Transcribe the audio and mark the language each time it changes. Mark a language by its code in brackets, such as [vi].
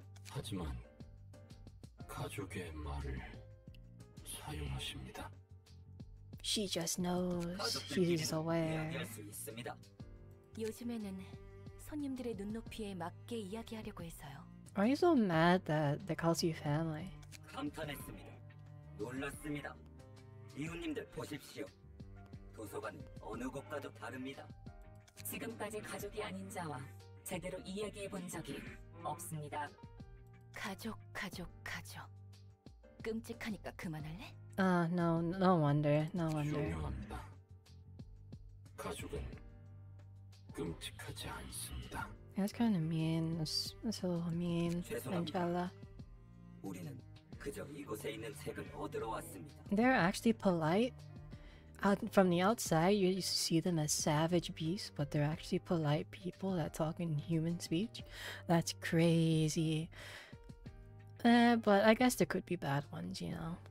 [ko] 하지만 가족의 말을 사용하십니다. [en] She just knows. She's aware. [ko] 요즘에는 손님들의 눈높이에 맞게 이야기하려고 했어요. [en] Are you so mad that they call you family? [ko] 감탄했습니다. 놀랐습니다. 이웃님들 보십시오. 도서관은 어느 곳과도 다릅니다. 지금까지 가족이 아닌 자와 제대로 이야기해 본 적이 없습니다. 가족, 가족, 가족. 끔찍하니까 그만할래? [en] No wonder. [ko] 중요합니다. 가족은 끔찍하지 않습니다. [en] That's kind of mean. That's a little mean. [ko] 죄송합니다. 우리는 그저 이곳에 있는 책을 얻으러 왔습니다. [en] They're actually polite. From the outside, you see them as savage beasts, but they're actually polite people that talk in human speech. That's crazy. But I guess there could be bad ones, you know.